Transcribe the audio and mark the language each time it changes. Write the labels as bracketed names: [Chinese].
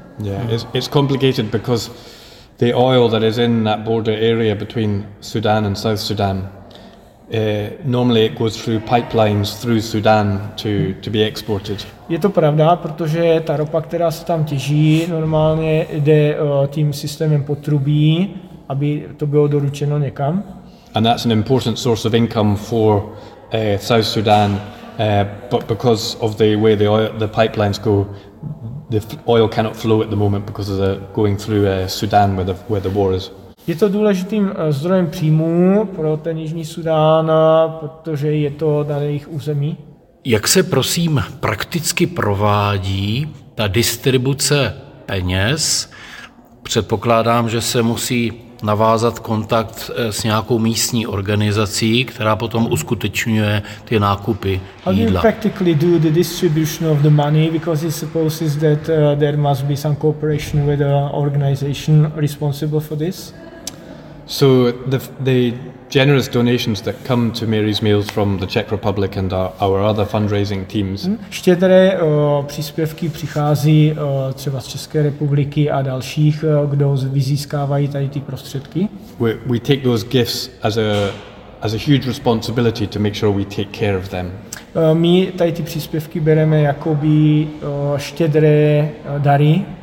[English] Yeah, it's complicated because the oil that is in that border area between Sudan and South Sudan, normally it goes through pipelines through Sudan to be exported. [Czech] Je to pravda, protože ta ropa, která se tam těží, normálně jde tím systémem potrubí, aby to bylo doručeno někam. [English] And that's an important source of income for South Sudan. But because of the way the oil, the pipelines go, the oil cannot flow at the moment because of the going through Sudan where the war is. [Czech] Je to důležitým zdrojem příjmů pro ten Jižní Sudán, protože je to na jejich území. Jak se prosím prakticky provádí ta distribuce peněz? Předpokládám, že se musí navázat kontakt s nějakou místní organizací, která potom uskutečňuje ty nákupy jídla. [English] How do you practically do the distribution of the money, because it supposes that there must be some cooperation with an organization responsible for this? So the generous donations that come to Mary's Meals from the Czech Republic and our other fundraising teams. [Czech] Štědré příspěvky přichází třeba z České republiky a dalších, kdo vyzískávají tady ty prostředky. [English] We take those gifts as a huge responsibility to make sure we take care of them. [Czech] My tady ty příspěvky bereme jakoby štědré dary.